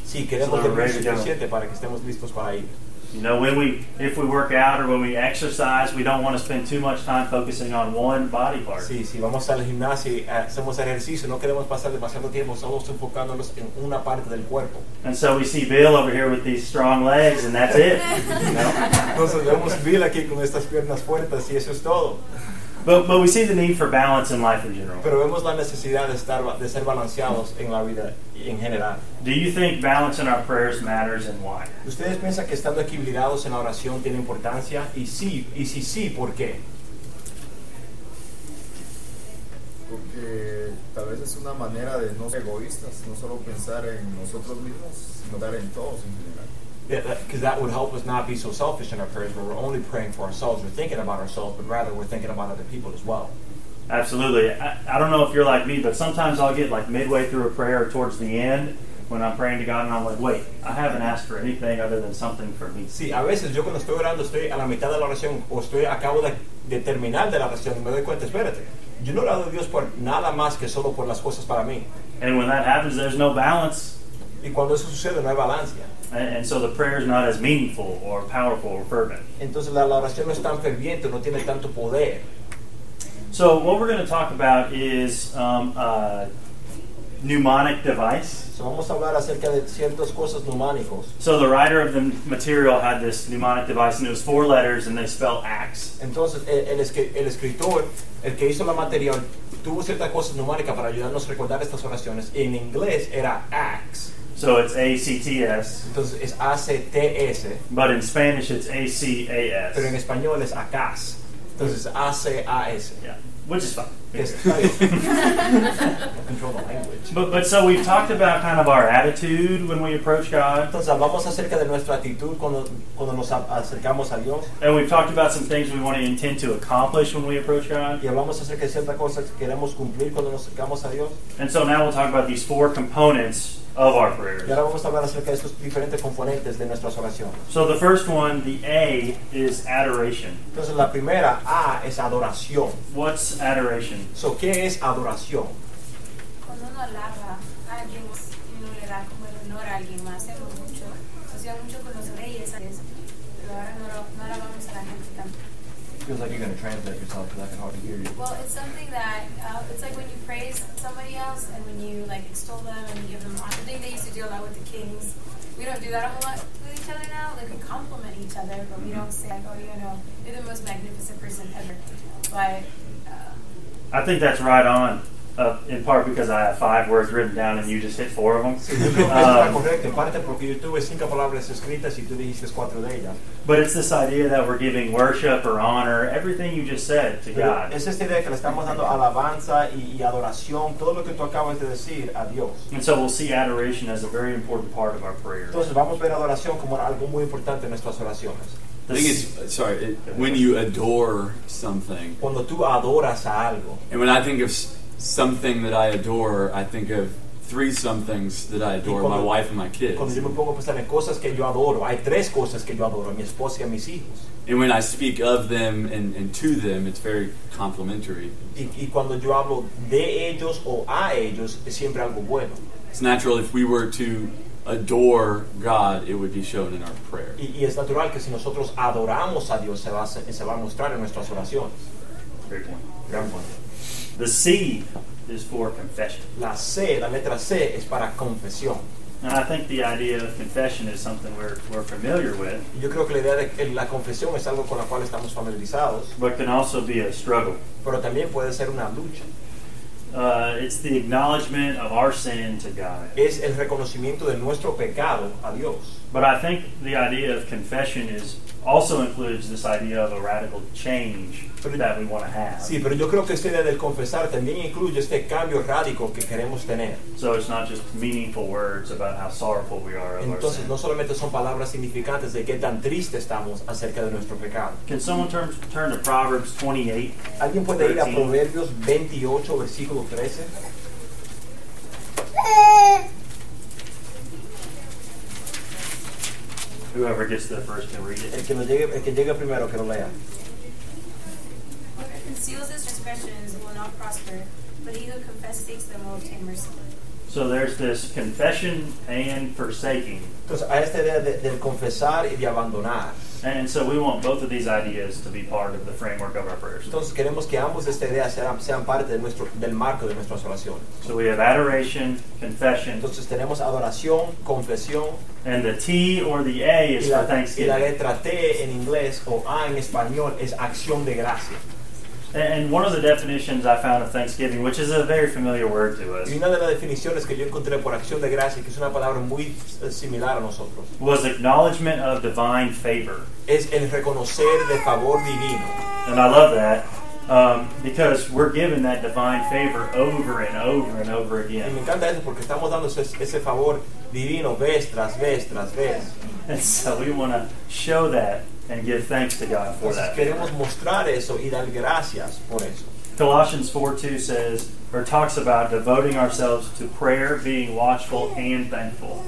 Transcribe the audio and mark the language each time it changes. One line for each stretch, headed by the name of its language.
Spanish: Sí, queremos tener suficiente para que estemos listos para ir.
English: You know, if we work out or when we exercise, we don't want to spend too much time focusing on one body part.
Spanish: Sí, vamos al gimnasio, hacemos ejercicio, no queremos pasar demasiado tiempo solo enfocándonos en una parte del cuerpo.
English: And so we see Bill over here with these strong legs, and that's it.
Spanish: Entonces vemos Bill aquí con estas piernas fuertes y eso es todo.
English: But we see the need for balance in life in general.
Spanish: Pero vemos la necesidad de ser balanceados en la vida en general.
English: Do you think balance in our prayers matters and why?
Spanish: ¿Ustedes piensan que estando equilibrados en la oración tiene importancia? Y si sí, ¿por qué? Porque tal vez es una manera de no ser egoístas, no solo pensar en nosotros mismos, sino dar en todos en general.
English: Because that would help us not be so selfish in our prayers where we're only praying for ourselves or thinking about ourselves, but rather we're thinking about other people as well. Absolutely. I don't know if you're like me, but sometimes I'll get like midway through a prayer or towards the end when I'm praying to God and I'm like, wait, I haven't asked for anything other than something for me.
Spanish: Sí, a veces yo cuando estoy orando estoy a la mitad de la oración o estoy acabo de terminar de la oración y me doy cuenta, espérate, yo no he orado a Dios por nada más que solo por las cosas para mí.
English: And when that happens, there's no balance.
Spanish: Y cuando eso sucede, no hay balance.
English: And so the prayer is not as meaningful or powerful or fervent.
Spanish: Entonces la oración no es tan ferviente, no tiene tanto poder.
English: So what we're going to talk about is a mnemonic device.
Spanish: So vamos a hablar acerca de ciertas cosas mnemónicos.
English: So the writer of the material had this mnemonic device, and it was four letters, and they spell acts.
Spanish: Entonces el escritor, el que hizo la material, tuvo ciertas cosas mnemónicas para ayudarnos a recordar estas oraciones. En inglés era acts.
English: So it's A-C-T-S.
Spanish: Entonces es A-C-T-S.
English: But in Spanish it's A-C-A-S.
Spanish: Pero en español es A-C-A-S. Entonces A-C-A-S.
English: Yeah, which is fine. Yes. Control the language. But so we've talked about kind of our attitude when we approach God.
Spanish: Entonces hablamos acerca de nuestra actitud cuando nos acercamos a Dios.
English: And we've talked about some things we want to intend to accomplish when we approach God.
Spanish: Y hablamos acerca de ciertas cosas que queremos cumplir cuando nos acercamos a Dios.
English: And so now we'll talk about these four components of our prayers.
Spanish: Y ahora vamos a hablar acerca de estos diferentes componentes de nuestras oraciones.
English: So the first one, the A, is adoration.
Spanish: Entonces la primera A es adoración.
English: What's adoration?
Spanish: So, ¿qué es adoración? Cuando uno alaba a alguien, uno le da como el honor a alguien más. Hacemos mucho, hacía mucho con los reyes, pero ahora no alabamos a la gente tampoco.
English: Feels like you're going to translate yourself because I can hardly hear you. Well, it's something that it's like when you praise somebody else and when you like extol them and give them honor. The thing they used to do a lot with the kings. We don't do that a whole lot with each other now. Like we compliment each other, but we don't say like, oh, you know, you're the most magnificent person ever. But I think that's right on, in part because I have five words written down and you just hit four of them.
Spanish: Correcto, en parte porque yo tuve cinco palabras escritas y tú dijiste cuatro de ellas.
English: But it's this idea that we're giving worship or honor, everything you just said, to God.
Spanish: Es esta idea que le estamos dando alabanza y adoración, todo lo que tú acabas de decir, a Dios.
English: And so we'll see adoration as a very important part of our prayers.
Spanish: Entonces vamos a ver adoración como algo muy importante en nuestras oraciones.
English: I think when you adore something.
Spanish: Cuando tú adoras a algo.
English: And when I think of something that I adore, I think of three somethings that I adore,
Spanish: cuando,
English: my wife and my kids.
Spanish: Cuando yo me pongo a pensar en cosas que yo adoro, hay tres cosas que yo adoro, mi esposa y mis hijos.
English: And when I speak of them and to them, it's very complimentary.
Spanish: Y cuando yo hablo de ellos o a ellos, es siempre algo bueno.
English: It's natural if we were to adore God, it would be shown in our prayer.
Spanish: Y es natural que si nosotros adoramos a Dios, se va a mostrar en nuestras oraciones.
English: The C is for confession.
Spanish: La letra C es para confesión.
English: And I think the idea of confession is something we're familiar with.
Spanish: Yo creo que la idea de la confesión es algo con la cual estamos familiarizados.
English: But can also be a struggle.
Spanish: Pero también puede ser una lucha.
English: It's the acknowledgement of our sin to God.
Spanish: Es el reconocimiento de nuestro pecado a Dios.
English: But I think the idea of confession is also includes this idea of a radical change that we want to have.
Spanish: Sí, pero yo creo que esta idea del confesar también incluye este cambio radical que queremos tener.
English: So it's not just meaningful words about how sorrowful we are.
Spanish: Entonces no solamente son palabras significantes de qué tan triste estamos acerca de nuestro pecado.
English: Can someone turn to Proverbs 28?
Spanish: ¿Alguien puede Ir a Proverbios 28 versículo 13?
English: Whoever gets there first can read it.
Spanish: El que llegue primero que lo lea.
English: Whoever conceals his transgressions will not prosper, but he who confesses them will obtain mercy. So there's this confession and forsaking.
Spanish: Entonces hay esta idea del confesar y de abandonar.
English: And so we want both of these ideas to be part of the framework of our prayers.
Spanish: Entonces queremos que ambos esta idea sean parte del marco de nuestras oraciones.
English: So we have adoration, confession.
Spanish: Entonces tenemos adoración, confesión.
English: And the T or the A is for thanksgiving.
Spanish: Y la letra T en inglés o A en español es acción de gracia.
English: And one of the definitions I found of thanksgiving, which is a very familiar word to us,
Spanish: y una de las definiciones que yo encontré por acción de gracia, que es una palabra muy similar a nosotros,
English: was acknowledgement of divine favor.
Spanish: Es el reconocer de favor divino.
English: And I love that. Because we're given that divine favor over and over and over again.
Spanish: Y me encanta eso porque estamos dando ese favor divino vez tras vez tras vez.
English: And so we want to show that and give thanks to God for that.
Spanish: Queremos mostrar eso y dar gracias por eso.
English: Colossians 4:2 says, or talks about devoting ourselves to prayer, being watchful and thankful.